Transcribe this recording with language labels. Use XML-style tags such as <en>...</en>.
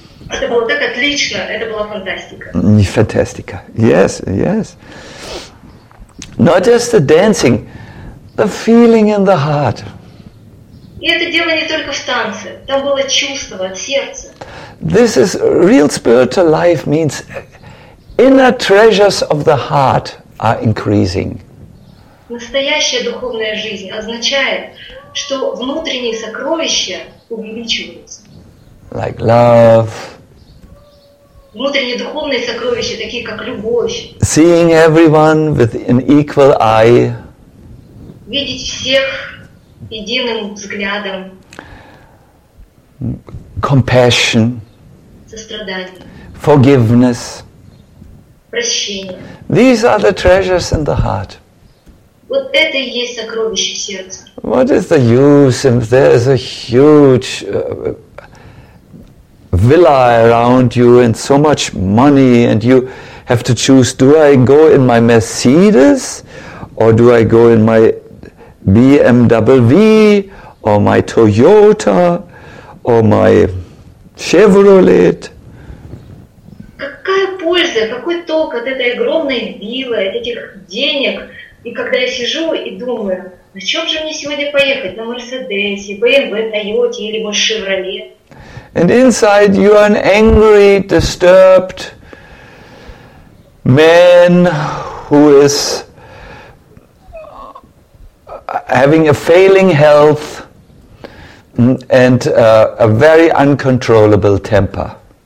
<ru>Это было так отлично, это была фантастика. Не фантастика.</ru> <en>Yes, yes. Not just the dancing, the feeling in the heart.</en> <ru>И это дело не только в танце, там было чувство от сердца.</ru> <en>This is real spiritual life means inner treasures of the heart are increasing.</en> <ru>Настоящая духовная жизнь означает, что внутренние сокровища увеличиваются.</ru> <en>Like love.</en> <ru>Внутренние духовные сокровища, такие как любовь.</ru> <en>Seeing everyone with an equal eye.</en> <ru>Видеть всех единым взглядом.</ru> <en>Compassion.</en> <ru>Сострадание.</ru> <en>Forgiveness.</en> <ru>Прощение.</ru> <en>These are the treasures in the heart.</en> <ru>Вот это и есть сокровища в сердце.</ru> <en>What is the use if there is a huge villa around you and so much money and you have to choose, do I go in my Mercedes or do I go in my BMW or my Toyota or my Chevrolet?</en> <ru>Какая польза, какой толк от этой огромной виллы, от этих денег? И когда я сижу и думаю, на чем же мне сегодня поехать? На Mercedes, BMW, Toyota или мой Chevrolet?</ru> <en>And inside you are an angry, disturbed man who is having a failing health and a very uncontrollable temper.</en>